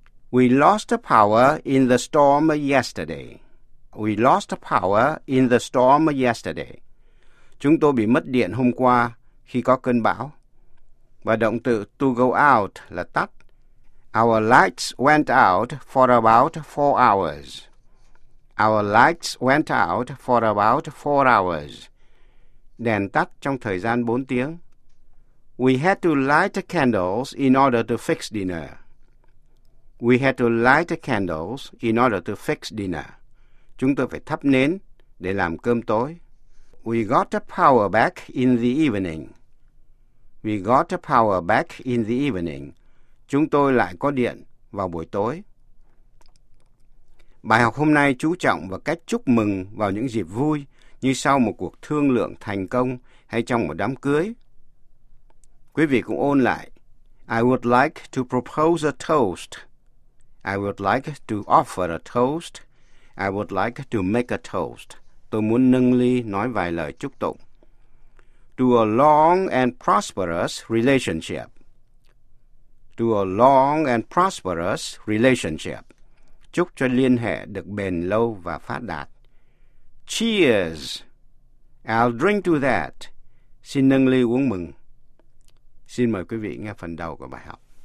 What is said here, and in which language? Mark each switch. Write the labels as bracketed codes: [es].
[en] We lost the power in the storm yesterday. We lost the power in the storm yesterday. [vi] Chúng tôi bị mất điện hôm qua khi có cơn bão. Và động từ [en] to go out [vi] là tắt. [en] Our lights went out for about 4 hours. Our lights went out for about 4 hours. [vi] Đèn tắt trong thời gian 4 tiếng. [en] We had to light candles in order to fix dinner. We had to light candles in order to fix dinner. [vi] Chúng tôi phải thắp nến để làm cơm tối. [en] We got the power back in the evening. We got the power back in the evening. [vi] Chúng tôi lại có điện vào buổi tối. Bài học hôm nay chú trọng vào cách chúc mừng vào những dịp vui như sau một cuộc thương lượng thành công hay trong một đám cưới. Quý vị cũng ôn lại. [en] I would like to propose a toast. I would like to offer a toast. I would like to make a toast. [vi] Tôi muốn nâng ly nói vài lời chúc tụng. [en] To a long and prosperous relationship. To a long and prosperous relationship. [vi] Chúc cho liên hệ được bền lâu và phát đạt. [en] Cheers. I'll drink to that. [vi] Xin nâng ly uống mừng. Xin mời quý vị nghe phần đầu của bài học.